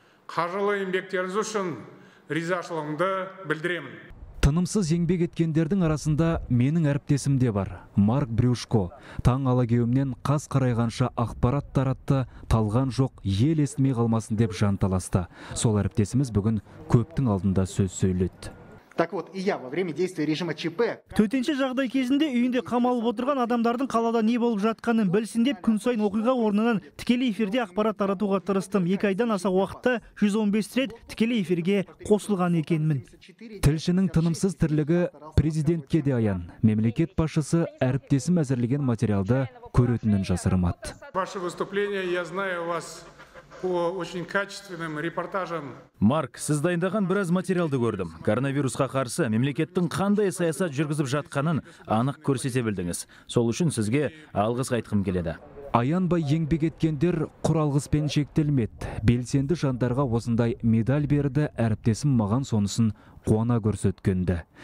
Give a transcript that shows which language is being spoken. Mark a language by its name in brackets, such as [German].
[Kazakh] Қажырлы еңбектеріңіз үшін ризашылығымды білдіремін. Тынымсыз еңбек еткендердің арасында менің әріптесім де бар. Марк Брюшко таң алагеуімнен қас қарайғанша ақпарат таратты, талған жоқ ел естімей қалмасын деп жанталасты. Сол әріптесіміз бүгін көптің алдында сөз сөйледі. [Russian] Так вот, и я во время действия режима ЧП. [Kazakh] Төтенше жағдай кезінде үйінде қамалып отырған адамдардың қалада не болып жатқанын білсін деп күн сайын оқиға орнынан тікелей эфирде ақпарат таратуға тырыстым. 2 айдан аса уақытта 115 рет тікелей эфирге қосылған екенмін. Тілшінің тынымсыз тірлігі президентке де аян. Мемлекет басшысы әріптесім әзірлеген материалды көретінін жасырмады. [Russian] Ваше выступление, я знаю вас по очень качественным репортажам. [Kazakh] Марк, сіз дайындаған біраз материалды көрдім. Коронавирусқа қарсы мемлекеттің қандай саясат жүргізіп жатқанын анық көрсете білдіңіз. Сол үшін сізге алғыс айтқым келеді. Аянбай еңбек еткендер құралғыспен шектелмеді. Белсенді жандарға осындай медаль берді, әріптесім маған сонысын қуана көрсеткенді.